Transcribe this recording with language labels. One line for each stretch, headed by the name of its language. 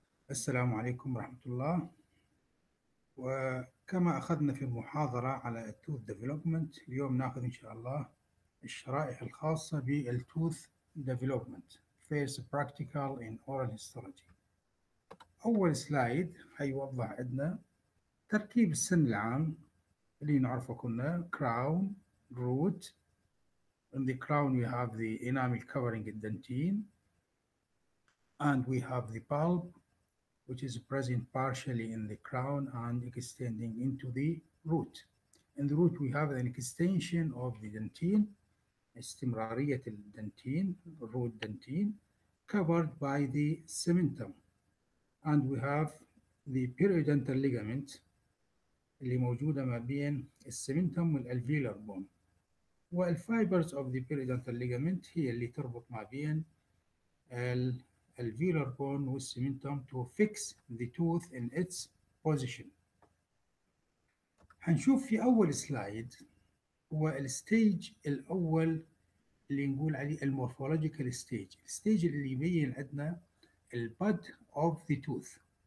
Arabic: السلام عليكم ورحمة الله. وكما أخذنا في المحاضرة على التوث ديفلوبمنت، اليوم نأخذ إن شاء الله الشرائح الخاصة بالتوث ديفلوبمنت
English: First practical in oral histology.
Arabic: أول سلايد هيوضح عندنا تركيب السن العام اللي نعرفه كنا كراون روت.
English: In the crown, we have the enamel covering the dentine, and we have the pulp, which is present partially in the crown and extending into the root. In the root, we have an extension of the dentine,
Arabic: استمراريه الدنتين,
English: root dentine, covered by the cementum, and we have the periodontal ligament,
Arabic: اللي موجودة ما بين السمنتم والالفيلر بون.
English: والفايبرز of the periodontal ligament
Arabic: هي اللي تربط ما بين
English: الالفيلر بون والسمنتم to fix the tooth in its position.
Arabic: هنشوف في اول سلايد هو الستيج الاول اللي نقول عليه المورفولوجيكال ستيج، الستيج اللي يبين عندنا
English: البد of the tooth.